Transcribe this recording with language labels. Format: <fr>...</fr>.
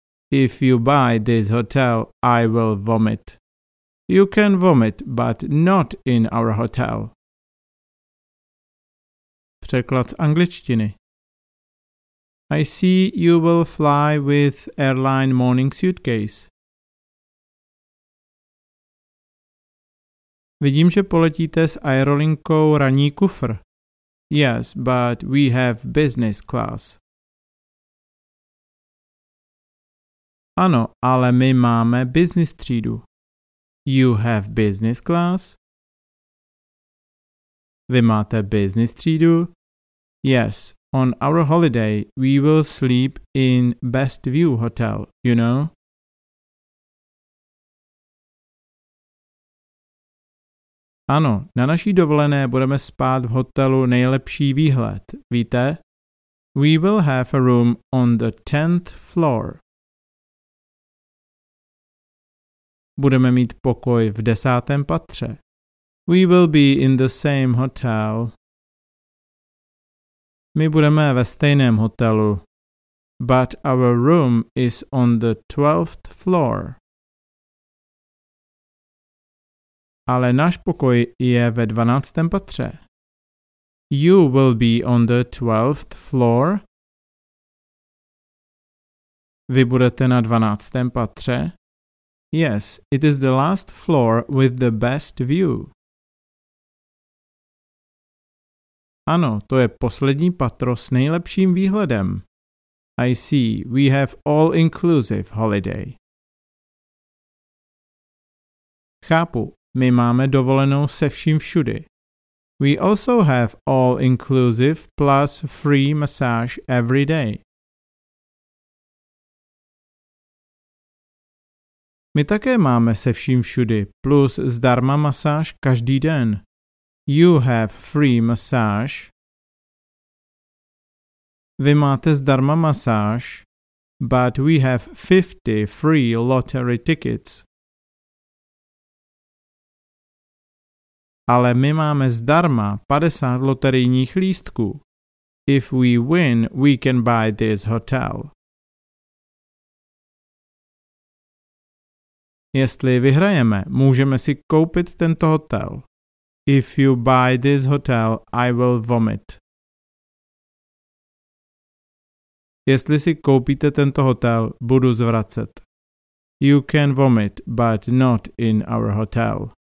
<en>If you buy this hotel, I will vomit. You can vomit, but not in our hotel.</en> <cs>Překlad z angličtiny.</cs> <en>I see you will fly with airline morning suitcase.</en> <cs>Vidím, že poletíte s aerolinkou ranní kufr.</cs> <en>Yes, but we have business class.</en> <cs>Ano, ale my máme business třídu.</cs> <en>You have business class?</en> <cs>Vy máte business třídu?</cs> <en>Yes. On our holiday, we will sleep in Best View Hotel, you know?</en> <cs>Ano, na naší dovolené budeme spát v hotelu Nejlepší výhled, víte?</cs> <en>We will have a room on the 10th floor.</en> <cs>Budeme mít pokoj v 10. patře.</cs> <en>We will be in the same hotel.</en> <cs>My budeme ve stejném hotelu.</cs> <en>But our room is on the 12th floor.</en> <cs>Ale náš pokoj je ve 12. patře.</cs> <en>You will be on the 12th floor.</en> <cs>Vy budete na 12. patře.</cs> <en>Yes, it is the last floor with the best view.</en> <cs>Ano, to je poslední patro s nejlepším výhledem.</cs> <en>I see, we have all-inclusive holiday.</en> <cs>Chápu, my máme dovolenou se vším všudy.</cs> <en>We also have all-inclusive plus free massage every day.</en> <cs>My také máme se vším všudy plus zdarma masáž každý den.</cs> <en>You have free massage.</en> <cs>Vy máte zdarma masáž,</cs> <en>but we have 50 free lottery tickets.</en> <cs>Ale my máme zdarma 50 loterijních lístků.</cs> <en>If we win, we can buy this hotel.</en> <cs>Jestli vyhrajeme, můžeme si koupit tento hotel.</cs> <en>If you buy this hotel, I will vomit.</en> <cs>Jestli si koupíte tento hotel, budu zvracet.</cs> <en>You can vomit, but not in our hotel.</en>